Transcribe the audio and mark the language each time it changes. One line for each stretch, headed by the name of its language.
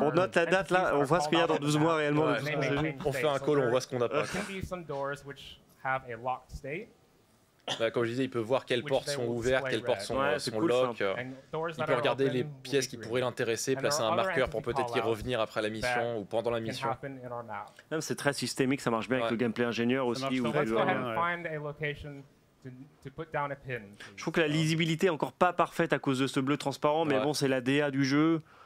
French: on note la date là, on voit ce qu'il y a dans 12 mois réellement. Ouais, on fait un call, on voit ce qu'on n'a pas.
English: There can be some doors which have a locked state.
French: Bah, comme je disais, il peut voir quelles portes sont ouvertes, quelles portes sont cool,
English: locked.
French: Il peut regarder les pièces qui pourraient l'intéresser, placer un marqueur pour peut-être y revenir après la mission ou pendant la mission. Même c'est très systémique, ça marche bien avec le gameplay ingénieur aussi. Je trouve que la lisibilité est encore pas parfaite à cause de ce bleu transparent, mais bon, c'est la DA du jeu.